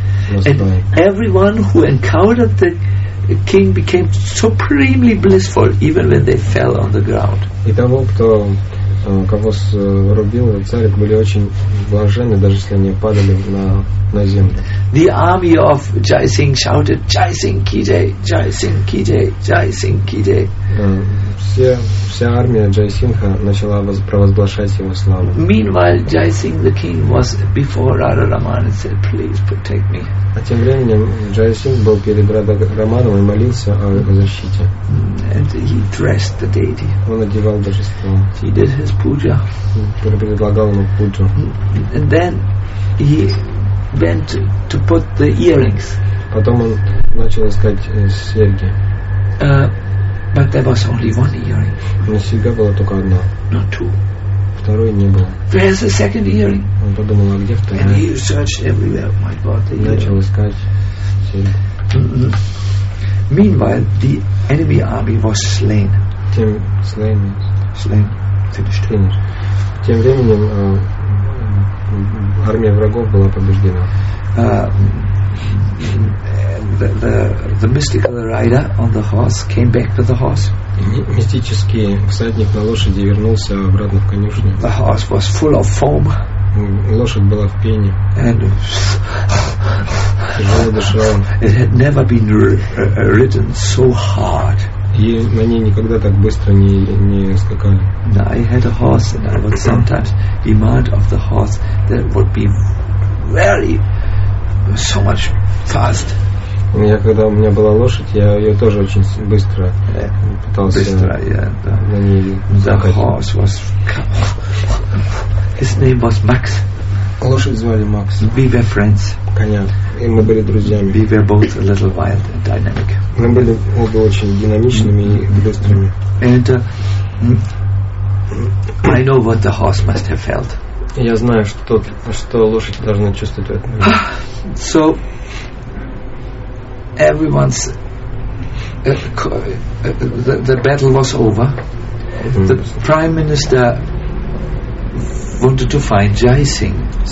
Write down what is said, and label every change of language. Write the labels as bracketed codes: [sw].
[en] And everyone who encountered the king became supremely blissful, even when they fell on the ground. [ru] И того, кто кого зарубил, цари были очень блаженны, даже если они падали на землю. [en] The army of Jai Singh shouted, Jai Singh Ki Jai, Jai Singh Ki Jai, Jai Singh Ki Jai. [ru] Вся армия Джай Сингха начала провозглашать его славу. [en] Meanwhile, Jai Singh the king was before Radha Raman and said, please protect me. [ru] А тем временем Джай Сингх был перед Радха Раманом и молился о его защите. [en] And he dressed the deity. [ru] Он одевал божество. [en] He did his puja. [ru] Предлагал ему пуджу. [en] And then he went to put the earrings. [ru] Потом он начал искать серьги. [en] But there was only one earring. [ru] Но серьга была только одна. [en] Not two. [ru] Второй не было. [en] Where's the second earring? [ru] Он подумал, а где вторая? [en] And he searched everywhere. My God, the earring. [ru] Начал искать серьги. [en] Meanwhile, the enemy army was slain. [ru] Тем [en] Slain. Finished. [ru] Тем временем армия врагов была побеждена. [en] The mystical rider on the horse came back to the horse. [ru] Мистический всадник на лошади вернулся обратно в конюшню. [en] The horse was full of foam. [ru] Лошадь была в пене. [en] And [ru] тяжело дышала. [en] It had never been ridden so hard. [ru] И на ней никогда так быстро не скакали. [en] I had a horse and I would sometimes demand of the horse that it would be very so much fast. [ru] У меня когда у меня была лошадь, я ее тоже очень быстро пытался на ней скакать. [en] The horse was his name was Max. [ru] Лошадь звали Макс. [en] We were friends. [ru] Коня. И мы были друзьями. [en] We were both a little wild and dynamic. [ru] Мы были оба очень динамичными и быстрыми. [en] And I know what the horse must have felt. [ru] Я знаю, что лошадь должна чувствовать в этом. [en] So everyone's the battle was over. The prime minister wanted to find Jai Singh.